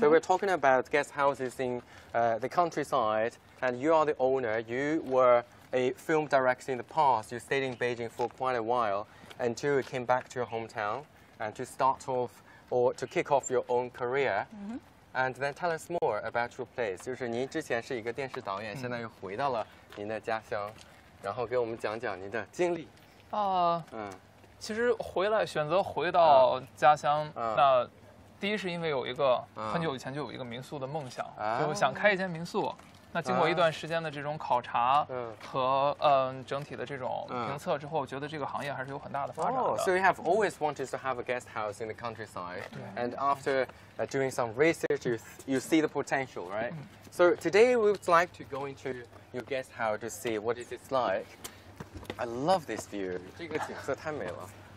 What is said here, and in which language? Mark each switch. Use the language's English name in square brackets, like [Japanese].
[English] So, we're talking about guest houses in the countryside, and you are the owner. You were a film director in the past. You stayed in Beijing for quite a while until you came back to your hometown and to start off or to kick off your own career. Mm-hmm. And then tell us more about your place. [Chinese] 就是您之前是一个电视导演，现在又回到了您的家乡，然后给我们讲讲您的经历。其实回来选择回到家乡，那第一是因为有一个很久以前就有一个民宿的梦想，就想开一间民宿。那经过一段时间的这种考察和整体的这种评测之后，觉得这个行业还是有很大的发展的。 [English] So you have always wanted to have a guest house in the countryside, and after doing some research, you see the potential, right? So today we would like to go into your guest house to see what is it like. I love this view. [Chinese] 这个景色太美了。